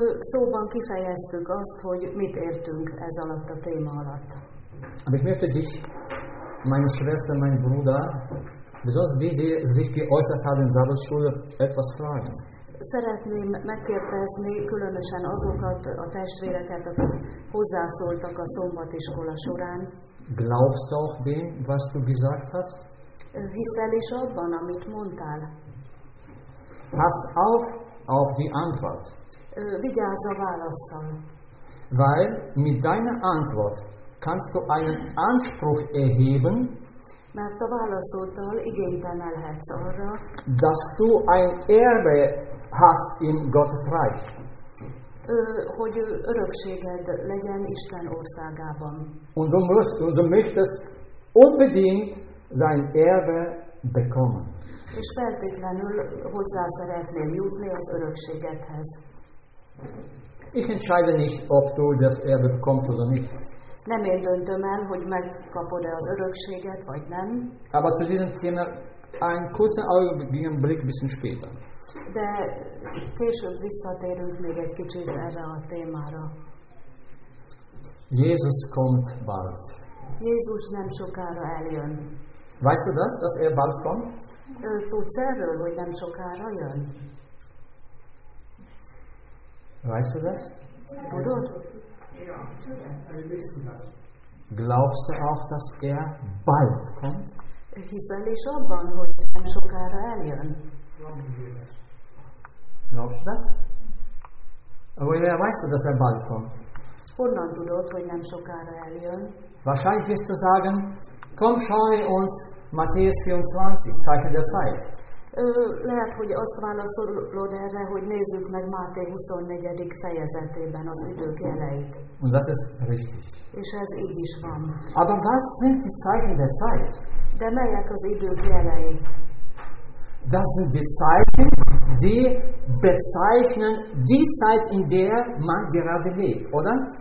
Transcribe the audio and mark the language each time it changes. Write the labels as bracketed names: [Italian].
[Hungarian] Szóban kifejeztük azt, hogy mit értünk ez alatt a téma alatt. [German] Aber ich möchte dich, meine Schwester, mein Bruder, besonders wie die sich geäußert haben in Sabbatschule, etwas fragen. [Hungarian] Szeretném megkérdezni különösen azokat a testvéreket, akik hozzászóltak a szombatiskola során. [German] Glaubst du auch dem, was du gesagt hast? [Hungarian] Hiszel is abban, amit mondtál? [German] Pass auf die Antwort. [Hungarian] Vigyázz a válaszon. [German] Weil mit deiner Antwort kannst du einen Anspruch erheben, [Hungarian] mert a válaszoddal igényt emelhetsz arra, [German] dass du ein Erbe hast in Gottes Reich. [Hungarian] Hogy örökséged legyen Isten országában. [German] Und du möchtest unbedingt dein Erbe bekommen. [Hungarian] És feltétlenül hozzá szeretném jutni az örökségedhez. [German] Ich entscheide nicht, ob du das Erbe bekommst oder nicht. [Hungarian] Nem én döntöm el, hogy megkapod-e az örökséget, vagy nem. [German] Aber zu diesem Thema ein kurzer Augenblick ein bisschen später. [Hungarian] De később visszatérünk még egy kicsit erre a témára. [German] Jesus kommt bald. [Hungarian] Jézus nem sokára eljön. [German] Weißt du das, dass bald kommt? [Hungarian] Tudsz erről, hogy nem sokára jön? [German] Weißt du das? [Hungarian] Tudod? [German] Glaubst du auch, dass bald kommt? [Hungarian] Hiszel is abban, hogy nem sokára eljön? [German] Glaubst du das? Woher weißt du, dass bald kommt? [Hungarian] Honnan tudod, hogy nem sokára eljön? [German] Wahrscheinlich wirst du sagen, komm, schau uns Matthäus 24, Zeichen der Zeit. [Hungarian] Lehet, hogy azt válaszolod erre, hogy nézzük meg Máté 24. fejezetében az idők jeleit. [German] Und das ist richtig. [Hungarian] És ez így is van. [German] Aber was sind die Zeichen der Zeit? [Hungarian] De melyek az idők jelei? [German] Das sind die Zeichen, die bezeichnen die Zeit, in der man gerade lebt, oder?